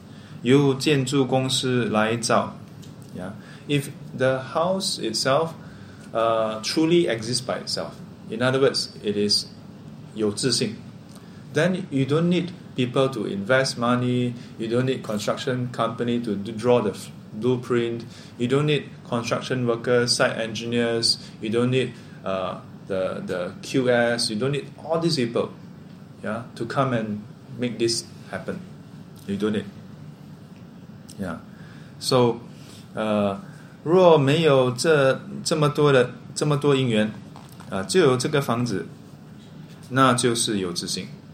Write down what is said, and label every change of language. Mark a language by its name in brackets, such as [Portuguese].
[Chinese] 若是自己有的,则不需要投资人做种种规划,由建筑公司来造. [English] Yeah. If the house itself truly exists by itself, in other words, it is [Chinese] 有自信, [English] then you don't need people to invest money, you don't need construction company to draw the blueprint, you don't need construction workers, site engineers, you don't need the QS, you don't need all these people, yeah, to come and make this happen. You don't need. Yeah. [Chinese] So, 若没有这么多因缘, 就有这个房子, 那就是有自信.